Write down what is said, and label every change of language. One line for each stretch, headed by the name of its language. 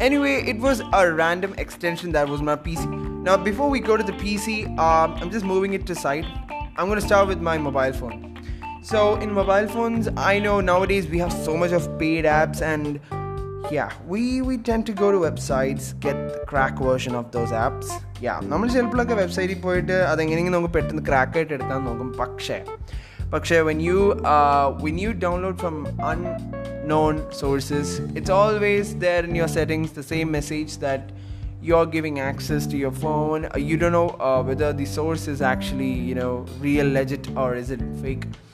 English: Anyway, it was a random extension that was my PC. Now, before we go to the PC, I'm just moving it to side. I'm going to start with my mobile phone. So, in mobile phones, I know nowadays we have so much of paid apps and we tend to go to websites, get the crack version of those apps.
Malayalam: Yeah, നമ്മൾ ചിലപ്പോൾ ഒക്കെ വെബ്സൈറ്റിൽ പോയിട്ട് അതെങ്ങനെയെങ്കിലും നമുക്ക് പെട്ടെന്ന് crack ആയിട്ട് എടുക്കാൻ നോക്കും. പക്ഷേ
English: when you download from unknown sources, it's always there in your settings, the same message that you're giving access to your phone. You don't know whether the source is actually, you know, real, legit, or is it fake.